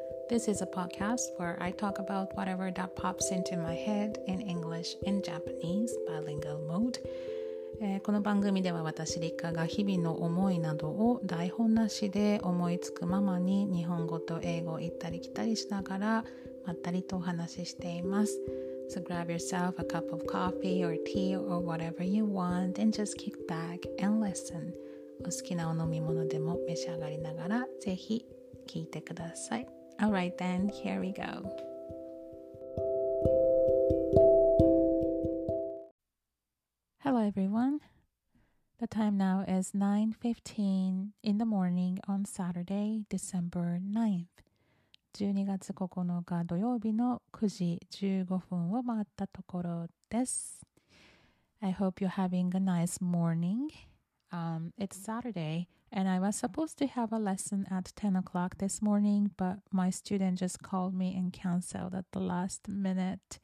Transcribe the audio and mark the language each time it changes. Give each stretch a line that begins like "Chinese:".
English: This is a podcast where I talk about whatever that pops into my head in English and Japanese bilingual mode.
Japanese: この番組では私リカが日々の思いなどを台本なしで思いつくままに日本語と英語を行ったり来たりしながらまったりとお話ししています。
English: So grab yourself a cup of coffee or tea or whatever you want and just kick back and listen.
Japanese: お好きなお飲み物でも召し上がりながらぜひ聞いてください。
English: Alright then, here we go. Hello everyone. The time now is 9:15 in the morning on Saturday, December 9th.
Japanese: 12月9日土曜日の9時15分を回ったところです。
English: I hope you're having a nice morning. It's Saturday and I was supposed to have a lesson at 10 o'clock this morning, but my student just called me and canceled at the last minute.